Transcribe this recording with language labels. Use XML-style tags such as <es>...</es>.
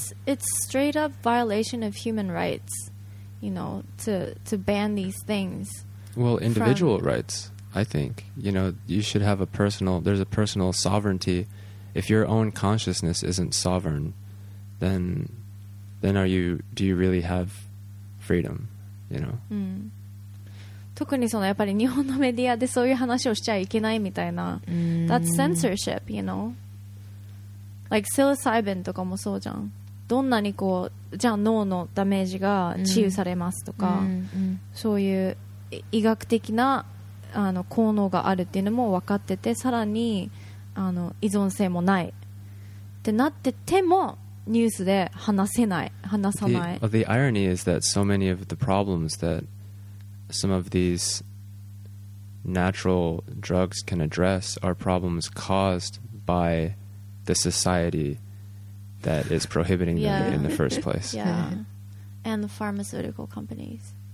<en>It's straight up violation of human rights, you know, to ban these things. Well, individual rights, I think. You know, you should have there's a personal sovereignty. If your own consciousness isn't sovereign, then then are you, do you really have freedom, you know?</en> <ja>うん。特にそのやっぱり日本のメディアでそういう話をしちゃいけないみたいな。</ja> <en>That's censorship, you know? Like psilocybin</en> <ja>とかもそうじゃん。どんなにこう、じゃあ脳のダメージが治癒されますとか、そういう医学的なあの効能があるっていうのも分かってて、さらにあの依存性もないってなってても、ニュースで話せない、話さない。</ja> <en>the irony is that so many of the problems that some of these natural drugs can address are problems caused by the society that is prohibiting them in the first place. Yeah. And the pharmaceutical companies.</en>